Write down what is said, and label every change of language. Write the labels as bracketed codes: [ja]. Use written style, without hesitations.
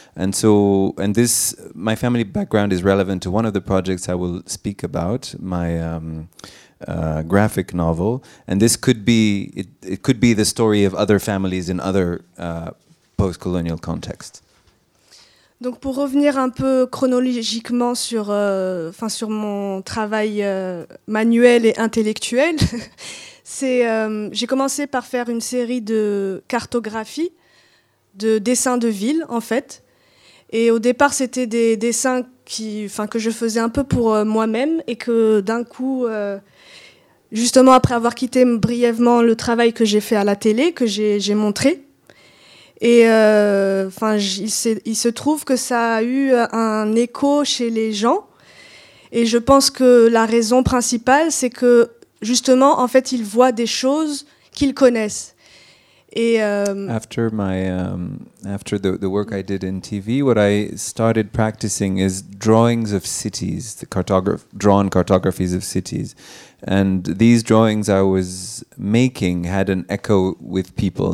[en] And so, and this, my family background is relevant to one of the projects I will speak about, my graphic novel. And this could be, it could be the story of other families in other post-colonial contexts. [fr] Donc pour revenir un peu chronologiquement sur mon travail manuel et intellectuel, j'ai commencé par faire une série de cartographies, de dessins de villes en fait. Et au départ, c'était des dessins que je faisais un peu pour moi-même et que d'un coup, justement après avoir quitté brièvement le travail que j'ai fait à la télé, que j'ai montré, et il se trouve que ça a eu un écho chez les gens. Et je pense que la raison principale, c'est que justement, en fait, ils voient des choses qu'ils connaissent. Et [en] after my after the work I did in TV, what I started practicing is drawings of cities, the drawn cartographies of cities, and these drawings I was making had an echo with people.